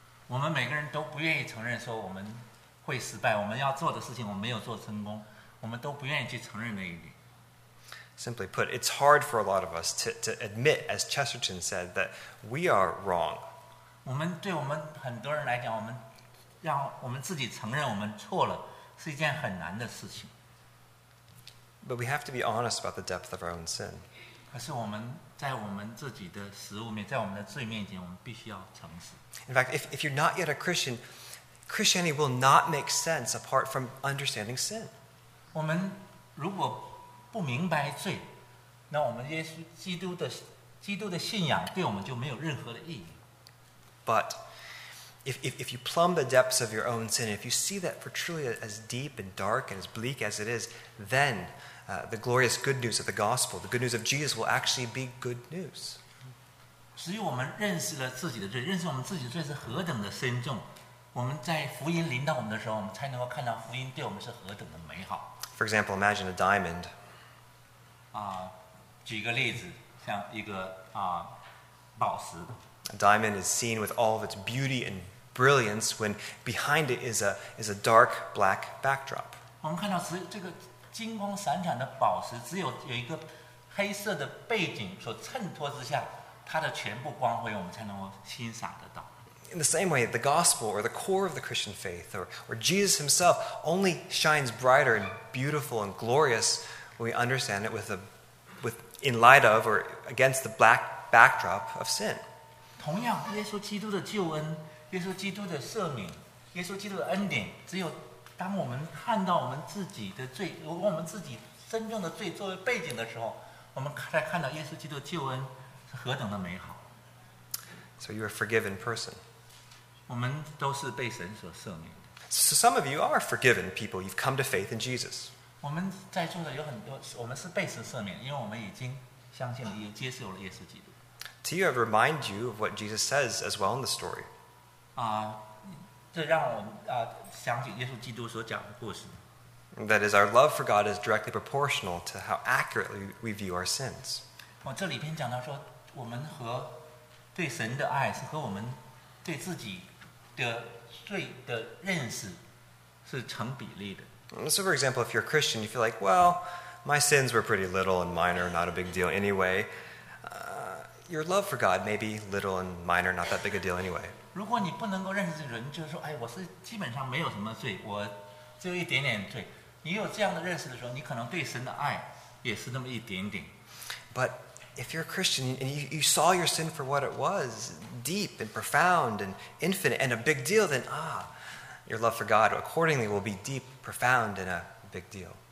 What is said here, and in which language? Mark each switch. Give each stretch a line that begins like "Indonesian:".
Chinese: 我们每个人都不愿意承认说我们会失败，我们要做的事情我们没有做成功，我们都不愿意去承认那一点。
English: Simply put, it's hard for a lot of us to admit, as Chesterton said, that we are wrong.
Chinese: 我们对我们很多人来讲，我们让我们自己承认我们错了，是一件很难的事情。
English: But we have to be honest about the depth of our own sin.
Chinese: 可是我们在我们自己的失误面，在我们的罪面前，我们必须要诚实。
English: In fact, if you're not yet a Christian,Christianity will not make sense apart from understanding sin.
Chinese: 我们如果不明白罪，那我们耶稣基督的信仰对我们就没有任何的意义。
English: But if you plumb the depths of your own sin, if you see that for truly as deep and dark and as bleak as it is, then the glorious good news of the gospel, the good news of Jesus, will actually be good news.
Chinese: 只有我们认识了自己的罪，认识我们自己的罪是何等的深重。我们在福音临到我们的时候，我们才能够看到福音对我们是何等的美好。
English: For example, imagine a diamond.
Chinese: 举个例子，像一个宝石。
English: A diamond is seen with all of its beauty and brilliance when behind it is a dark black backdrop.
Chinese: 我们看到这个金光闪闪的宝石，只有一个黑色的背景所衬托之下，它的全部光辉，我们才能够欣赏得到。
English: In the same way, the gospel or the core of the Christian faith or Jesus himself only shines brighter and beautiful and glorious when we understand it in light of or against the black backdrop of sin.
Chinese: 同样，耶稣基督的救恩，耶稣基督的赦免，耶稣基督的恩典，只有当我们看到我们自己的罪，我们自己真正的罪作为背景的时候，我们才看到耶稣基督的救恩是何等的美好。
English: So you're a forgiven person.
Chinese: 我们都是被神所赦免。
English: So some of you are forgiven people. You've come to faith in Jesus.
Chinese: 我们在座的有很多，我们是被神赦免，因为我们已经相信了，也接受了耶稣基督。
English: Do you ever remind you of what Jesus says as well in the story?
Chinese: 这让我想起耶稣基督所讲的故事。
English: That is, our love for God is directly proportional to how accurately we view our sins.
Chinese: 我这里边讲到说，我们和对神的爱是和我们对自己的罪的认识是成比例的。
English: So for example, if you're a Christian, you feel like, well, my sins were pretty little and minor, not a big deal anyway. Your love for God may be little and minor, not that big a deal anyway.
Chinese: 如果你不能够认识人，就是说，哎，我是基本上没有什么罪，我只有一点点罪。你有这样的认识的时候，你可能对神的爱也是那么一点点。
English: But if you're a Christian and you saw your sin for what it was, deep and profound and infinite and a big deal, then your love for God accordingly will be deep, profound, and a big deal.